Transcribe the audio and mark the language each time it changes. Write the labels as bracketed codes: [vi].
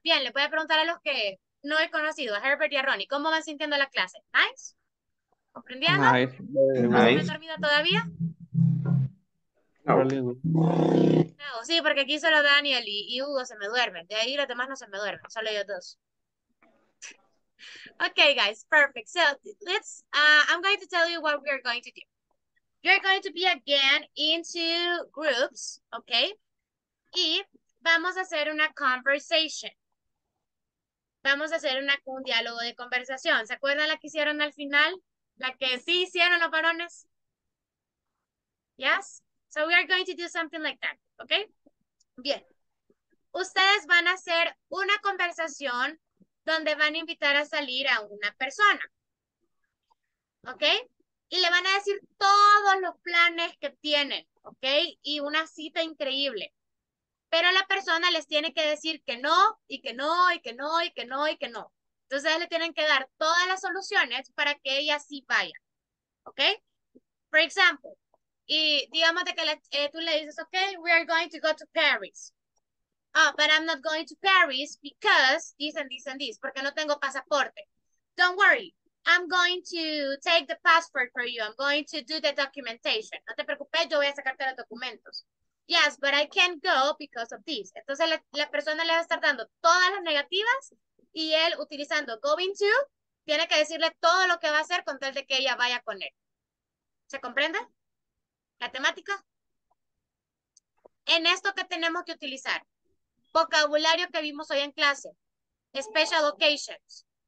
[es] Bien, le voy a preguntar a los que no he conocido, a Herbert y a Ronnie, ¿cómo van sintiendo la clase? Nice. ¿Comprendiendo? [en] Nice. [es] ¿No [en] nice. [es] ¿Dormido todavía? No. No, sí, porque aquí solo Daniel y Hugo se me duermen. De ahí los demás no se me duermen, solo ellos dos. [en] Okay, guys, perfect. So, let's, I'm going to tell you what we are going to do. you're going to be again into groups, okay? [es] Y vamos a hacer una conversation. Vamos a hacer un diálogo de conversación. ¿Se acuerdan la que hicieron al final? La que sí hicieron los varones. Yes? [en] So we are going to do something like that, okay? [es] Bien. Ustedes van a hacer una conversación donde van a invitar a salir a una persona. Okay? Y le van a decir todos los planes que tienen, okay? Y una cita increíble. Pero la persona les tiene que decir que no, y que no, y que no, y que no, y que no. Entonces le tienen que dar todas las soluciones para que ella sí vaya. [en] Okay? For example, [es] y digamos de que la, tú le dices, [en] okay, we are going to go to Paris. Oh, but I'm not going to Paris because this and this and this, [es] porque no tengo pasaporte. [en] Don't worry, I'm going to take the passport for you. I'm going to do the documentation. [es] No te preocupes, yo voy a sacarte los documentos. [en] Yes, but I can't go because of this. [es] Entonces la persona le va a estar dando todas las negativas y él utilizando going to, tiene que decirle todo lo que va a hacer con tal de que ella vaya con él. ¿Se comprende? ¿La temática? En esto que tenemos que utilizar, vocabulario que vimos hoy en clase, [en] special occasions.